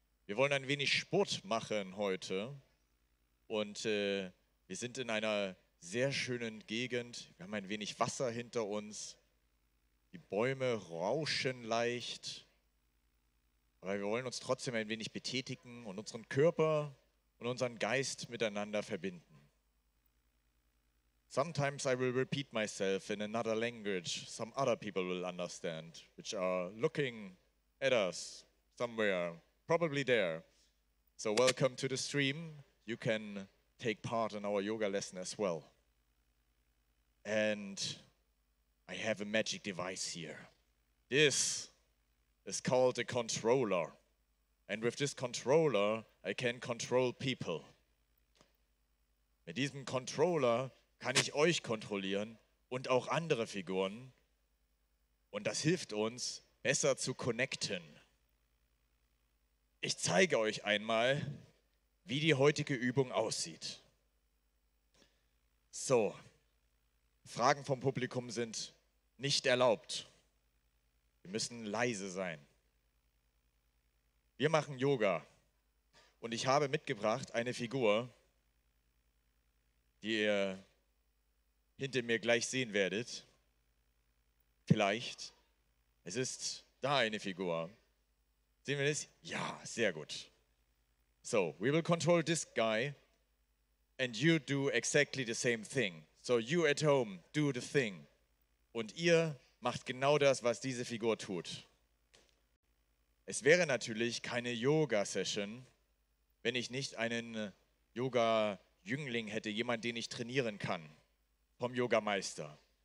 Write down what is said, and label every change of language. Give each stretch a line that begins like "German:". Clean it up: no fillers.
German: Wir wollen ein wenig Sport machen heute und wir sind in einer sehr schönen Gegend. Wir haben ein wenig Wasser hinter uns, die Bäume rauschen leicht, aber wir wollen uns trotzdem ein wenig betätigen und unseren Körper und unseren Geist miteinander verbinden.
English: Sometimes I will repeat myself in another language some other people will understand, which are looking at us somewhere, probably there. So welcome to the stream. You can take part in our yoga lesson as well. And I have a magic device here. This is called a controller. And with this controller, I can control people.
German: Mit diesem Controller kann ich euch kontrollieren und auch andere Figuren. Und das hilft uns, besser zu connecten. Ich zeige euch einmal, wie die heutige Übung aussieht. So, Fragen vom Publikum sind nicht erlaubt. Wir müssen leise sein. Wir machen Yoga und ich habe mitgebracht eine Figur, die ihr hinter mir gleich sehen werdet. Vielleicht. Es ist da eine Figur. Sehen wir das? Ja, sehr gut.
English: So, we will control this guy and you do exactly the same thing. So you at home do the thing.
German: Und ihr macht genau das, was diese Figur tut. Es wäre natürlich keine Yoga-Session, wenn ich nicht einen Yoga-Jüngling hätte, jemanden, den ich trainieren kann, vom Yoga-Meister.